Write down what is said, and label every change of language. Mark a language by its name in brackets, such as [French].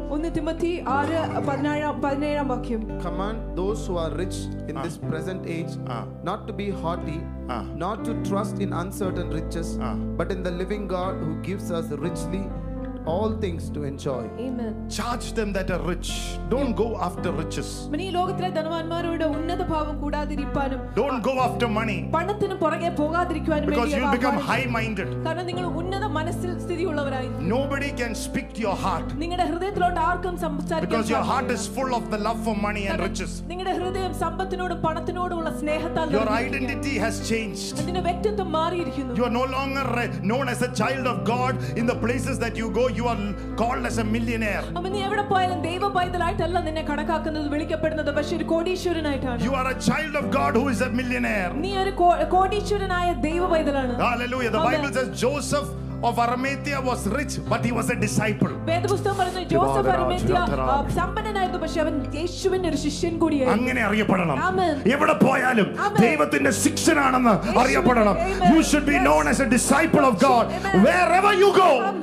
[English] 1 Timothy 6:17 vakyam. Command those who are rich in this present age not to be haughty, not to trust in uncertain riches, but in the living God who gives us richly all things to enjoy. Amen. Charge them that are rich. Don't go after riches. [Malayalam] മനി ലോകത്തിലെ ധനവാന്മാരുടെ ഉന്നത ഭാവം കൂടാതിരിപ്പാനും. [English] Don't go after money. [Malayalam] പണത്തിന് പുറകെ പോകാതിരിക്കാനും വേണ്ടി. [English] Because you become high minded. [Malayalam] കാരണം നിങ്ങൾ ഉന്നത മനസ്സിൽ സ്ഥിതി ഉള്ളവരായി. [English] Nobody can speak to your heart. [Malayalam] നിങ്ങളുടെ ഹൃദയത്തിലോട്ട് ആർക്കും സംസാരിക്കാൻ. [English] Because your heart is full of the love for money and riches. [Malayalam] നിങ്ങളുടെ ഹൃദയം സമ്പത്തിനോടും പണത്തിനോടുമുള്ള സ്നേഹത്താൽ. [English] Your identity has changed. [Malayalam] നിങ്ങളുടെ വ്യക്തിത്വം മാറിയിരിക്കുന്നു. [English] You are no longer known as a child of God in the places that you go. You are called as a millionaire. [Malayalam] അമ്മേ എവിടെ പോയാലും ദൈവപൈതലായിട്ടല്ല നിന്നെ കണക്കാക്കുന്നത് വിളിക്കപ്പെടുന്നത് പക്ഷേ ഒരു കോടീശ്വരനായിട്ടാണ്. [English] You are a child of God who is a millionaire. [Malayalam] നീ ഒരു കോടീശ്വരനായ ദൈവപൈതലാണ്. [English] Hallelujah. The Bible says Joseph of Arimathea was rich but he was a disciple. [Malayalam] വേദപുസ്തകം പറയുന്നു ജോസഫ് അർമേത്തിയ സമ്പന്നനായിരുന്നു പക്ഷേ അവൻ യേശുവിന്റെ ഒരു ശിഷ്യൻ കൂടിയായിരുന്നു. അങ്ങനെ അറിയപ്പെടണം. എവിടെ പോയാലും ദൈവത്തിന്റെ ശിഷ്യനാണെന്ന് അറിയപ്പെടണം. [English] You should be known as a disciple of God wherever you go.